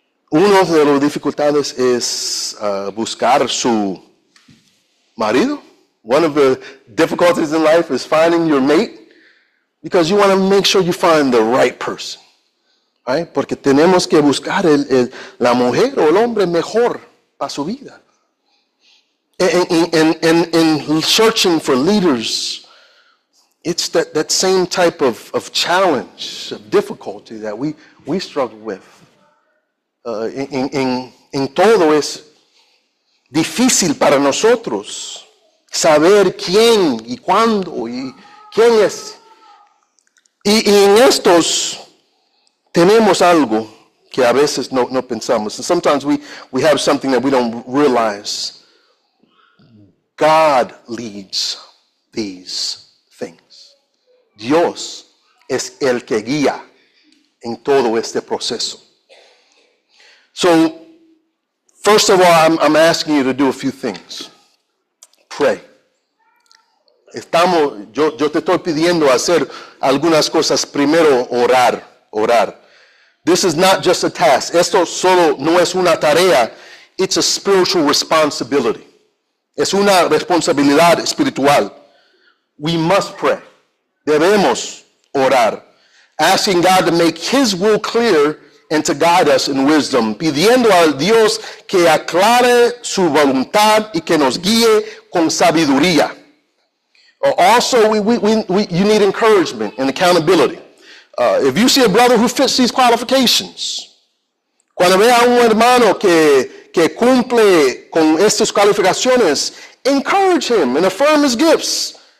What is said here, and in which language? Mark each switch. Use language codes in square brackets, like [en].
[es] Uno de las dificultades es buscar su marido. [en] One of the difficulties in life is finding your mate. Because you want to make sure you find the right person. Right? [es] Porque tenemos que buscar la mujer o el hombre mejor para su vida. [en] In searching for leaders, it's that same type of challenge, of difficulty that we struggle with. [es] In todo es difícil para nosotros saber quién y cuándo y quién es. Y en estos tenemos algo que a veces no pensamos. [en] And sometimes we have something that we don't realize. God leads these things. [es] Dios es el que guía en todo este proceso. [en] So, first of all, I'm asking you to do a few things. Pray. [es] Estamos, yo te estoy pidiendo hacer algunas cosas. Primero, orar. [en] This is not just a task. [es] Esto solo no es una tarea. [en] It's a spiritual responsibility. [es] Es una responsabilidad espiritual. [en] We must pray. [es] Debemos orar. [en] Asking God to make His will clear and to guide us in wisdom. [es] Pidiendo a Dios que aclare su voluntad y que nos guíe con sabiduría. [en] Also, you need encouragement and accountability. If you see a brother who fits these qualifications, [es] cuando vea un hermano que cumple con estas calificaciones, [en] encourage him and affirm his gifts.